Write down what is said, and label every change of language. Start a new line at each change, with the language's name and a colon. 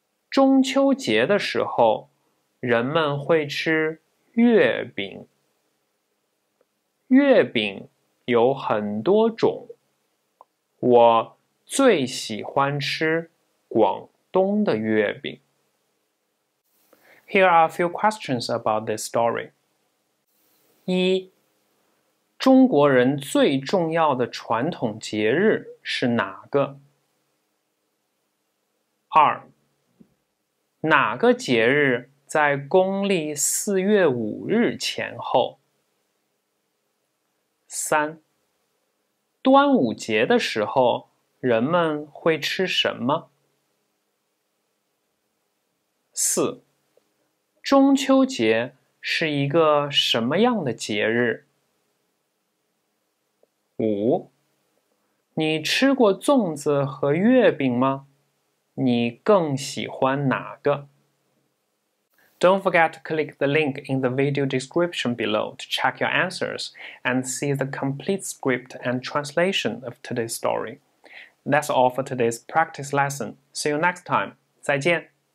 Chinese: 中秋节的时候，人们会吃月饼。月饼有很多种，我最喜欢吃广东的月饼。
English: Here are a few questions about this story.
Chinese: 一，中国人最重要的传统节日是哪个？二，哪个节日在公历4月5日前后？三，端午节的时候，人们会吃什么？四，中秋节是一个什么样的节日？五，你吃过粽子和月饼吗？你更喜欢哪个？
English: Don't forget to click the link in the video description below to check your answers and see the complete script and translation of today's story. That's all for today's practice lesson. See you next time.
Chinese: 再见。